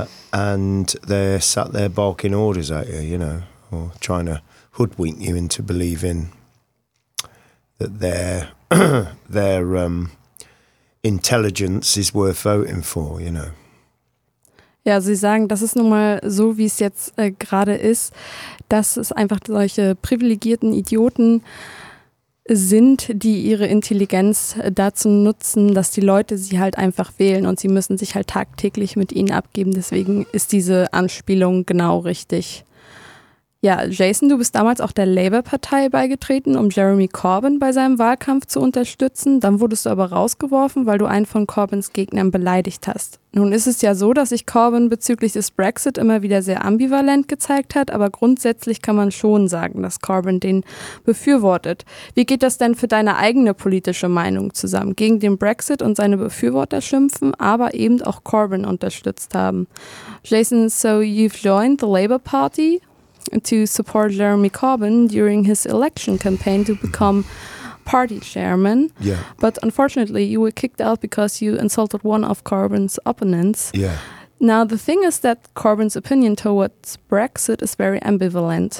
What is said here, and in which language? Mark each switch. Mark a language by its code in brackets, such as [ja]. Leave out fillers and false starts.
[en] and they're sat there barking orders at you, you know, or trying to hoodwink you into believing that their intelligence is worth voting for, you know. [de] Ja, sie sagen, das ist nun mal so, wie es jetzt gerade ist, dass es einfach solche privilegierten Idioten sind, die ihre Intelligenz dazu nutzen, dass die Leute sie halt einfach wählen und sie müssen sich halt tagtäglich mit ihnen abgeben. Deswegen ist diese Anspielung genau richtig. Ja, Jason, du bist damals auch der Labour-Partei beigetreten, um Jeremy Corbyn bei seinem Wahlkampf zu unterstützen. Dann wurdest du aber rausgeworfen, weil du einen von Corbyns Gegnern beleidigt hast. Nun ist es ja so, dass sich Corbyn bezüglich des Brexit immer wieder sehr ambivalent gezeigt hat, aber grundsätzlich kann man schon sagen, dass Corbyn den befürwortet. Wie geht das denn für deine eigene politische Meinung zusammen? Gegen den Brexit und seine Befürworter schimpfen, aber eben auch Corbyn unterstützt haben. [en] Jason, so you've joined the Labour Party to support Jeremy Corbyn during his election campaign to become party chairman. Yeah. But unfortunately, you were kicked out because you insulted one of Corbyn's opponents. Yeah. Now, the thing is that Corbyn's opinion towards Brexit is very ambivalent.